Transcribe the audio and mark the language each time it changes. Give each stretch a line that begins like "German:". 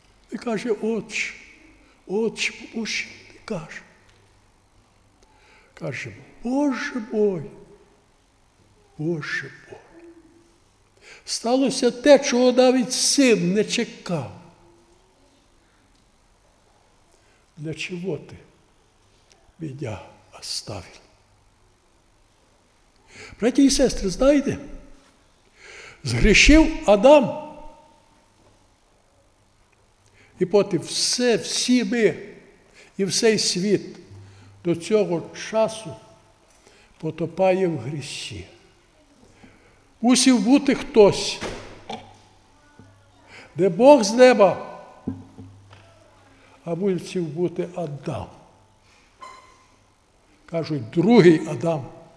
Ukrainian: І каже, отче, отче, Боже, не каже. Каже,
Russian: Боже мой, Боже мой.
Ukrainian: Сталося те, чого навіть син не чекав.
Russian: для чего ты меня оставил? Братья и сестры, знаете, сгрешил Адам, и потом все, все мы и весь свет до этого часу потопает в грехе.
Ukrainian: Мусив бути хтось, де Бог з неба, а мусив бути Адам. Кажуть, другий Адам.